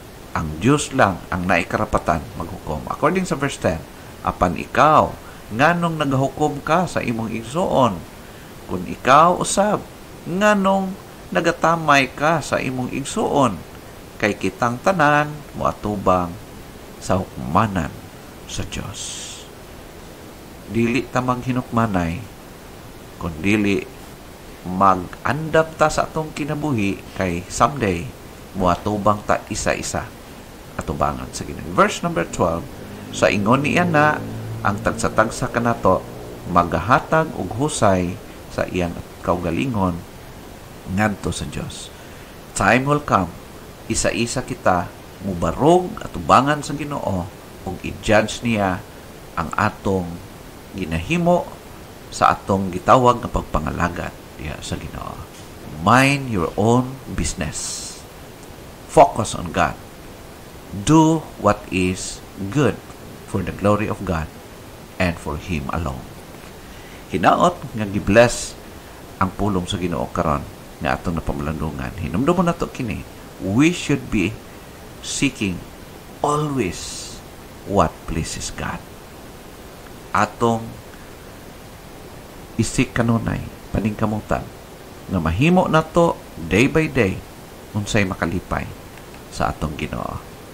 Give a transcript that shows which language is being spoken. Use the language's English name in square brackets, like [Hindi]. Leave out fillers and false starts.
[Cebuano] Ang Diyos lang ang naikarapatan maghukom. According sa verse 10, apan ikaw, nganong naghukom ka sa imong igsoon? Kung ikaw usab, nganong nagatamay ka sa imong igsoon? Kay kitang tanan, muatubang sa hukmanan sa Diyos. Dili tamang hinukmanay, kung dili mag-andap ta sa atong kinabuhi, kay someday, muatubang ta isa-isa atubangan sa Ginoo. Verse number 12, sa ingon niya na, ang tagsa-tagsa ka na to, maghahatag og husay sa iyang kaugalingon ngadto sa Diyos. Time will come, isa-isa kita mubarog at tubangan sa Ginoo ug i-judge niya ang atong ginahimo sa atong gitawag nga pagpangalagad diha sa Ginoo. [English] Mind your own business. Focus on God. Do what is good for the glory of God and for Him alone. [Cebuano] Hinaot nga gi-bless ang pulong sa Ginoo karon nga atong napamalandungan. Hinumdumon nato kini. [English] We should be seeking always what pleases God. [Cebuano] Atong isik kanunay, paningkamutan, nga mahimo nato day by day unsay makalipay sa atong Ginoo.